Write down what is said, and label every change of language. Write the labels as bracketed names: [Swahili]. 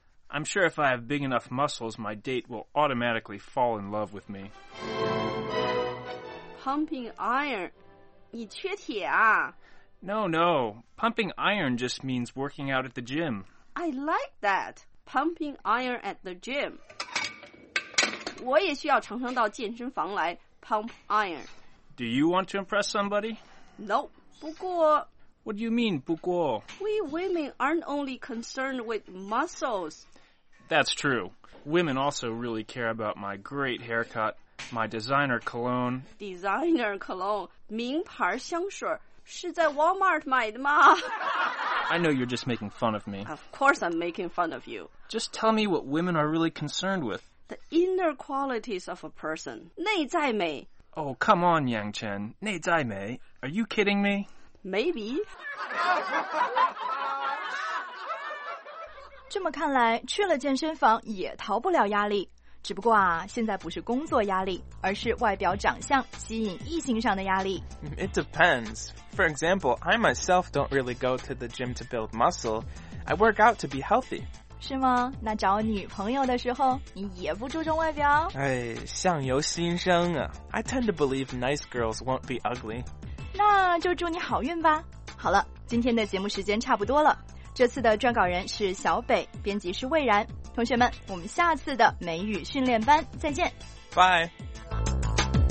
[English] I'm sure if I have big enough muscles, my date will automatically fall in love with me. Pumping iron. [Chinese] 你缺铁啊? [English] No, no. Pumping iron just means working out at the gym. I like that. Pumping iron at the gym. [Chinese] 我也需要常常到健身房来 [English] pump iron. Do you want to impress somebody? Nope. [Chinese] 不过 [English] What do you mean, [Chinese] 不过? [English] We women aren't only concerned with muscles. That's true. Women also really care about my great haircut. My designer cologne. Designer cologne? [Chinese] 名牌香水是在 Walmart 买的吗? [English] I know you're just making fun of me. Of course I'm making fun of you. Just tell me what women are really concerned with. The inner qualities of a person. [Chinese] 内在美。 [English] Oh, come on, Yangchen. [Chinese] 内在美。 [English] Are you kidding me? Maybe. [Chinese] 这么看来，去了健身房也逃不了压力。只不过啊，现在不是工作压力，而是外表长相吸引异性上的压力。 [English] It depends. For example, I myself don't really go to the gym to build muscle. I work out to be healthy. [Chinese] 是吗？那找女朋友的时候，你也不注重外表？哎，相由心生啊。 [English] I tend to believe nice girls won't be ugly. [Chinese] 那就祝你好运吧。好了，今天的节目时间差不多了。这次的撰稿人是小北，编辑是魏然。同学们，我们下次的美语训练班再见。 [English] Bye。